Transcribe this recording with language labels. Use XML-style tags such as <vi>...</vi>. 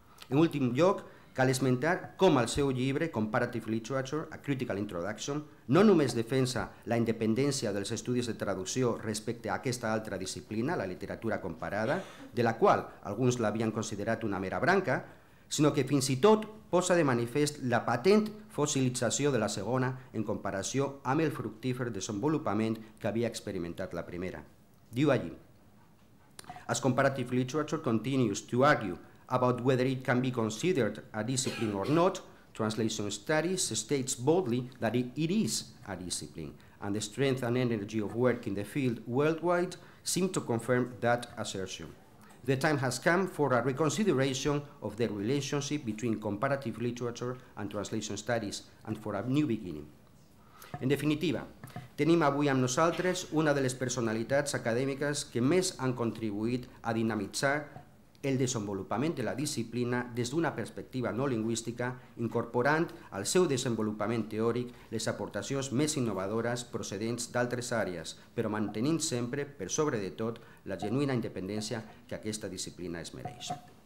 <ca>En últim lloc, cal esmentar com el seu llibre, Comparative Literature, A Critical Introduction, no només defensa la independència dels estudis de traducció respecte a aquesta altra disciplina, la literatura comparada, de la qual alguns l'havien considerat una mera branca, sinó que fins i tot posa de manifest la patent fossilització de la segona en comparació amb el fructífer desenvolupament que havia experimentat la primera. Diu allí,</ca> <en>As comparative literature continues to argue about whether it can be considered a discipline or not, translation studies states boldly that it is a discipline, and the strength and energy of work in the field worldwide seem to confirm that assertion. The time has come for a reconsideration of the relationship between comparative literature and translation studies and for a new beginning.</en> <ca>En definitiva, tenim avui amb nosaltres una de les personalitats acadèmiques que més han contribuït a dinamitzar el desenvolupament de la disciplina des d'una perspectiva no lingüística, incorporant al seu desenvolupament teòric les aportacions més innovadores procedents d'altres àrees, però mantenint sempre, per sobre de tot, la genuïna independència que aquesta disciplina es mereix.</ca>